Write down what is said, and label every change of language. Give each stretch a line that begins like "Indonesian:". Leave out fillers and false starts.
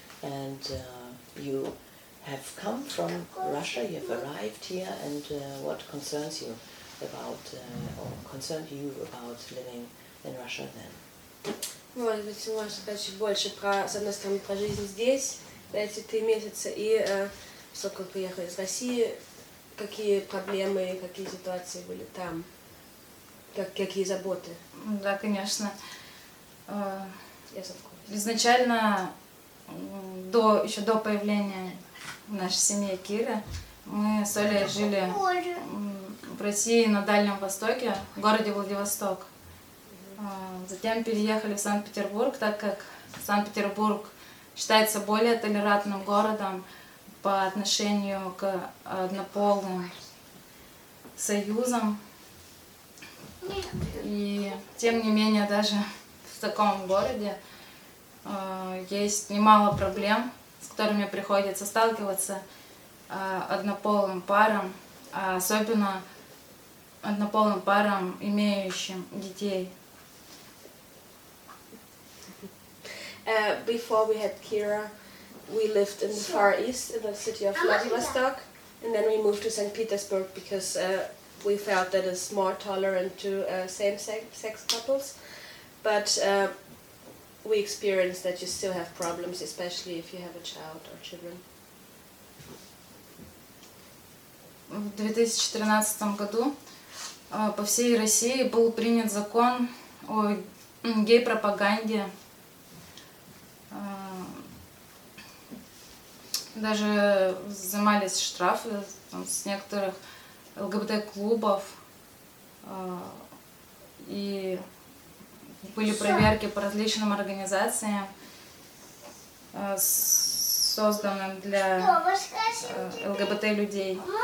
English: And you have come from Russia, you have arrived here, and what concerns you about, or concerned you about living in Russia then?
Russian: Может быть, ты можешь сказать чуть больше про, с одной стороны, про жизнь здесь, за эти 3 месяца, и сколько приехали из России. Какие проблемы, какие ситуации были там, какие заботы? Да, конечно.
English: Yes, of course.
Russian: Изначально, еще до появления нашей семьи Кира, мы с Олей жили в России на Дальнем Востоке, в городе Владивосток. Затем переехали в Санкт-Петербург, так как Санкт-Петербург считается более толерантным городом по отношению к однополым союзам. И тем не менее, даже в таком городе есть немало проблем, с которыми приходится сталкиваться однополым парам, особенно однополым парам, имеющим детей.
English: Before we had Kira, we lived in the Far East, in the city of Vladivostok, and then we moved to St. Petersburg because we felt that it's more tolerant to same-sex couples, but we experience that you still have problems, especially if you have a child or children.
Russian: В 2013 году по всей России был принят закон о гей-пропаганде. Даже взимались штрафы там, с некоторых ЛГБТ-клубов, и были проверки по различным организациям, созданным для ЛГБТ-людей.